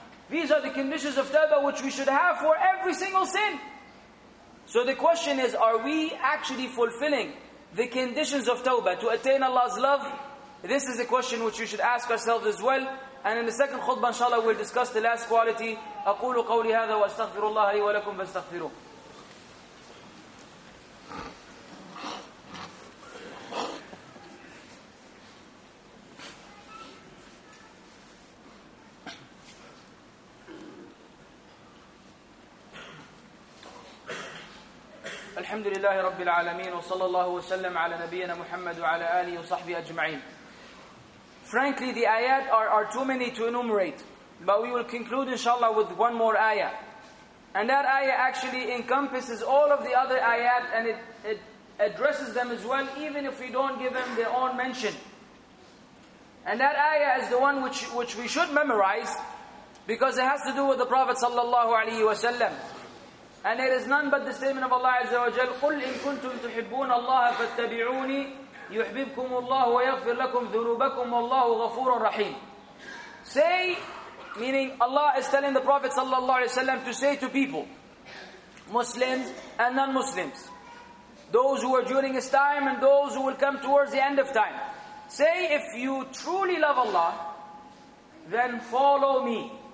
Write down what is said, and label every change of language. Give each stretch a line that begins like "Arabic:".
English: These are the conditions of tawbah which we should have for every single sin. So the question is, are we actually fulfilling the conditions of tawbah to attain Allah's love? This is a question which we should ask ourselves as well. And in the second khutbah, inshallah, we'll discuss the last quality.
Arabic: أقول قولي هذا واستغفر الله لي ولكم فاستغفروه. الحمد لله رب العالمين وصلى الله وسلم على نبينا محمد وعلى آله وصحبه أجمعين.
English: Frankly, the ayat are too many to enumerate, but we will conclude inshallah with one more ayah, and that ayah actually encompasses all of the other ayat, and it addresses them as well, even if we don't give them their own mention. And that ayah is the one which we should memorize, because it has to do with the Prophet sallallahu alaihi wasallam. And it is none but the statement of Allah Azza wa Jal,
Arabic: قُلْ إِن كُنْتُمْ تُحِبُّونَ اللَّهَ فَاتَّبِعُونِي يُحْبِبْكُمُ اللَّهُ وَيَغْفِرْ لَكُمْ ذُنُوبَكُمْ وَاللَّهُ غَفُورٌ رَحِيمٌ.
English: Say, meaning Allah is telling the Prophet sallallahu alayhi wa sallam to say to people, Muslims and non-Muslims, those who are during his time and those who will come towards the end of time, say, if you truly love Allah, then follow me.